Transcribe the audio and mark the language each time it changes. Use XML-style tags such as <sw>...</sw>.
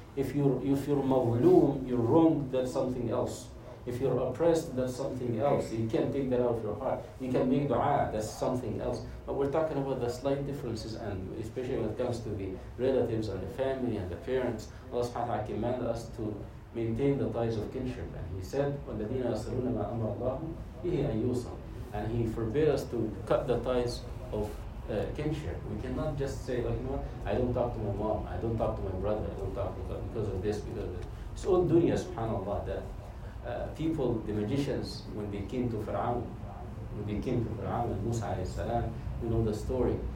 <en>If you're mavloom, you're wrong, that's something else. If you're oppressed, that's something else. You can't take that out of your heart. You can make dua, that's something else. But we're talking about the slight differences, and especially when it comes to the relatives and the family and the parents, Allah subhanahu wa ta'ala commanded us to maintain the ties of kinship.</en> <ar>And He said, وَالَّذِينَ أَسْأَلُونَ مَا أَمَرَ اللَّهُ بِهِ أَنْ يُوصَلُ.</ar> <en>And He forbade us to cut the ties of kinship. We cannot just say, like, you know, I don't talk to my mom, I don't talk to my brother, I don't talk to God because of this, because of this. It's all dunya, subhanAllah, that. People, the magicians, when they came to Fir'aun and Musa alayhi salam, you know the story.</en>